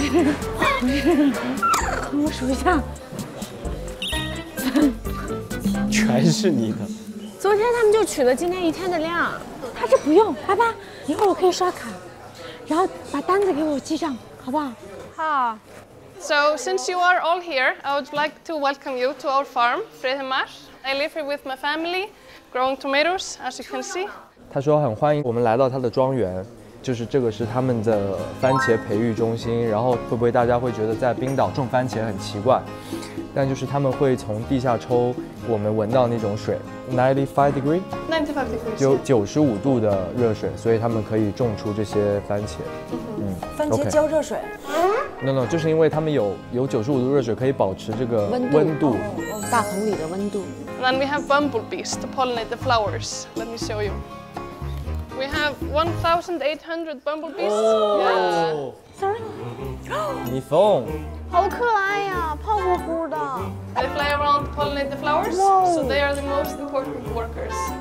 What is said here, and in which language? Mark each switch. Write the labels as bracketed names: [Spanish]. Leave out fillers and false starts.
[Chinese] 不是，我数一下，全是你的。昨天他们就取了今天一天的量，他这不用，爸爸，一会儿我可以刷卡，然后把单子给我记上，好不好？好。 [English] So since you are all here, I would like to welcome you to our farm, Frithemar. I live here with my family, growing tomatoes, as you can see. [Chinese] 他说很欢迎我们来到他的庄园。就是这个是他们的番茄培育中心，然后会不会大家会觉得在冰岛种番茄很奇怪，但就是他们会从地下抽我们闻到那种水 95 degrees 就95度的热水，所以他们可以种出这些番茄。番茄浇热水、 [English] okay. [Chinese] no 就是因为他们有95度热水可以保持这个温度、大棚里的温度。 [English] Then we have bumblebees to pollinate the flowers. Let me show youWe have 1,800 bumblebees. Sorry. [Chinese] 蜜蜂。好可爱呀，胖乎乎的。 [English] They fly around to pollinate the flowers, so they are the most important workers.